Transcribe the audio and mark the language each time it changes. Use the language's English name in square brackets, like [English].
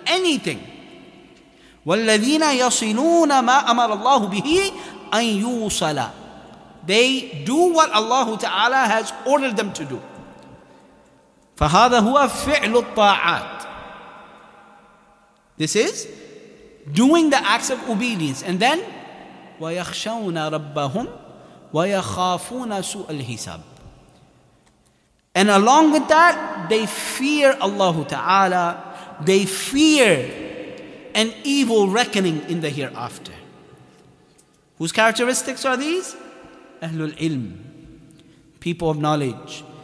[English] Anything. [Arabic] وَالَّذِينَ يَصِلُونَ مَا أَمَرَ اللَّهُ بِهِ أَنْ يُوصَلَ. [English] They do what Allah Ta'ala has ordered them to do. [Arabic] فَهَذَا هُوَ فِعْلُ الطَّاعَاتِ. [English] This is doing the acts of obedience. And then, [Arabic] وَيَخْشَوْنَ رَبَّهُمْ وَيَخَافُونَ سُوءَ الْحِسَابِ. [English] And along with that, they fear Allah Ta'ala. They fear an evil reckoning in the hereafter. Whose characteristics are these? Ahlul ilm, people of knowledge.